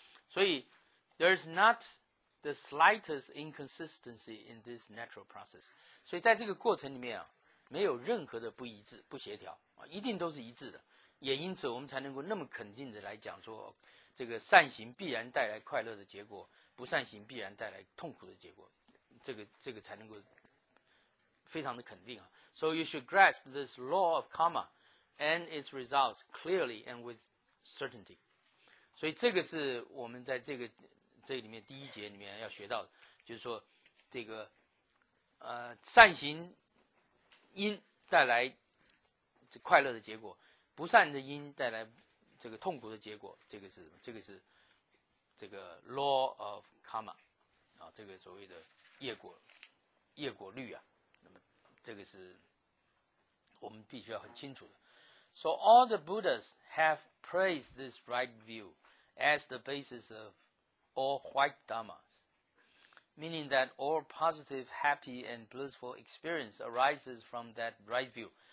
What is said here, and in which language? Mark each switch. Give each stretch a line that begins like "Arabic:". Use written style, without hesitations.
Chinese: 所以
English: there is not the slightest inconsistency in this natural process，
Chinese: 所以在这个过程里面啊，没有任何的不一致不协调啊，一定都是一致的。也因此我们才能够那么肯定的来讲说，这个善行必然带来快乐的结果，不善行必然带来痛苦的结果，这个才能够非常的肯定啊。
English: So you should grasp this law of karma and its results clearly and with certainty。
Chinese: 所以这个是我们在这里面第一节里面要学到的，就是说这个善行因带来这快乐的结果，不善的因带来这个痛苦的结果，这个是这个
English: law of karma
Chinese: 啊，这个所谓的业果律啊，这个是我们必须要很清楚的。
English: So all the Buddhas have praised this right view as the basis of all white dharmas, meaning that all positive, happy and blissful experience arises from that right view.